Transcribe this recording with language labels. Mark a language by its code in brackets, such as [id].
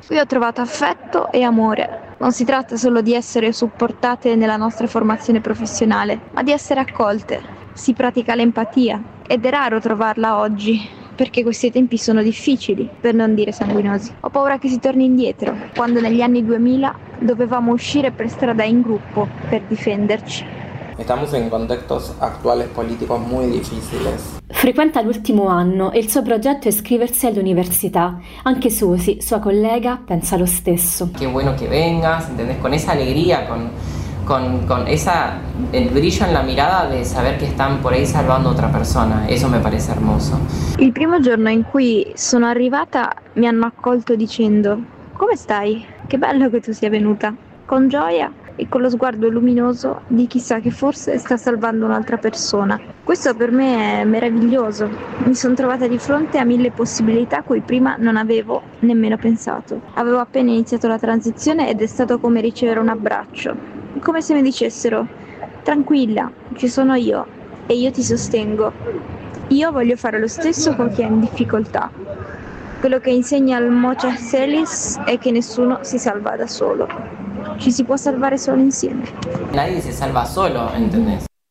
[it] Qui ho trovato affetto e amore. Non si tratta solo di essere supportate nella nostra formazione professionale, ma di essere accolte. Si pratica l'empatia ed è raro trovarla oggi. Perché questi tempi sono difficili, per non dire sanguinosi. Ho paura che si torni indietro, quando negli anni 2000 dovevamo uscire per strada in gruppo per difenderci. [es] Estamos en contextos actuales políticos muy difíciles. [it] Frequenta l'ultimo anno e il suo progetto è iscriversi all'università. Anche Susi, sua collega, pensa lo stesso. [es] Qué bueno que vengas, ¿entendés? Con esa alegría, con esa el brillo en la mirada de saber que están por ahí salvando otra persona, eso me parece hermoso. [it] Il primo giorno in cui sono arrivata mi hanno accolto dicendo: "Come stai? Che bello che tu sia venuta." Con gioia e con lo sguardo luminoso di chissà che forse sta salvando un'altra persona. Questo per me è meraviglioso. Mi sono trovata di fronte a mille possibilità cui prima non avevo nemmeno pensato. Avevo appena iniziato la transizione ed è stato come ricevere un abbraccio. Come se mi dicessero: "Tranquilla, ci sono io e io ti sostengo. Io voglio fare lo stesso con chi è in difficoltà." Quello che insegna il Mocha Celis è che nessuno si salva da solo. Ci si può salvare solo insieme. [es] Nadie se salva solo, ¿entendés?